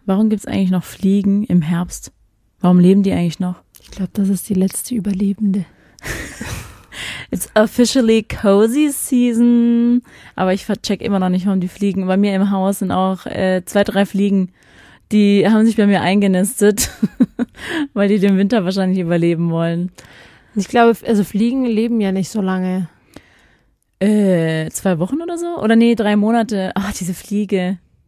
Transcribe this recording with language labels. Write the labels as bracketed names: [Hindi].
[German] Warum gibt es eigentlich noch Fliegen im Herbst? Warum leben die eigentlich noch? Ich glaube, das ist die letzte Überlebende. [English] Officially cozy season. [German] Aber ich check immer noch nicht, warum die Fliegen. Bei mir im Haus sind auch zwei, drei Fliegen. Die haben sich bei mir eingenistet, weil die den Winter wahrscheinlich überleben wollen. Ich glaube, also Fliegen leben ja nicht so lange. 2 Wochen oder so? Oder nee, 3 Monate. Ach, diese Fliege.